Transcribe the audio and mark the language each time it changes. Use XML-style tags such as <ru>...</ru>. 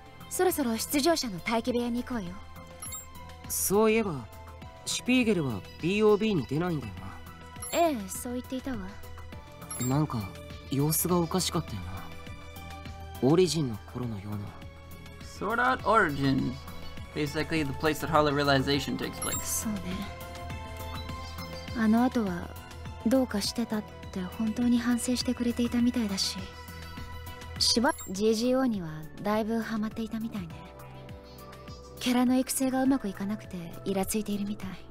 <ja>そろそろ出場者の待機部屋に行こうよ。そういえばシュピーゲルは B.O.B. に出ないんだよな。ええ、そう言っていたわ。なんか様子がおかしかったよな。オリジンの頃のような。</ja> <en>Sort out Origin. Basically the place that Harley Realization takes place.</en> <ja>そうね。あの後はどうかしてたって本当に反省してくれていたみたいだし、しば GGO にはだいぶハマっていたみたいね。キャラの育成がうまくいかなくてイラついているみたい。</ja>